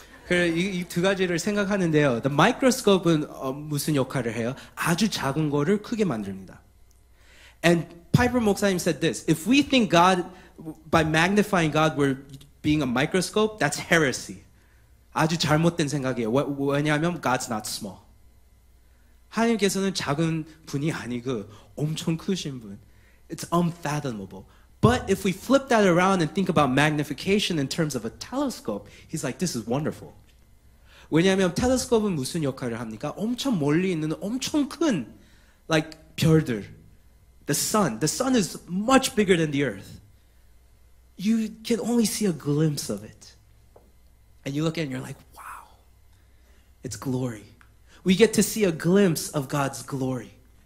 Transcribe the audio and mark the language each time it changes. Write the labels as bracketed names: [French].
[Korean] 그래 이 두 가지를 생각하는데요. The microscope은 무슨 역할을 해요? 아주 작은 거를 크게 만듭니다. [English] And Piper 목사님 said this. If we think God by magnifying God, we're being a microscope. That's heresy. [Korean] 아주 잘못된 생각이에요. 왜냐하면 [English] God's not small. [Korean] 하나님께서는 작은 분이 아니고 엄청 크신 분. [English] It's unfathomable. But if we flip that around and think about magnification in terms of a telescope, he's like, this is wonderful. [Korean] 왜냐하면 텔레스코프는 무슨 역할을 합니까? 엄청 멀리 있는 엄청 큰, like 별들. [English] The sun is much bigger than the earth. You can only see a glimpse of it. And you look at it and you're like, wow, it's glory. We get to see a glimpse of God's glory.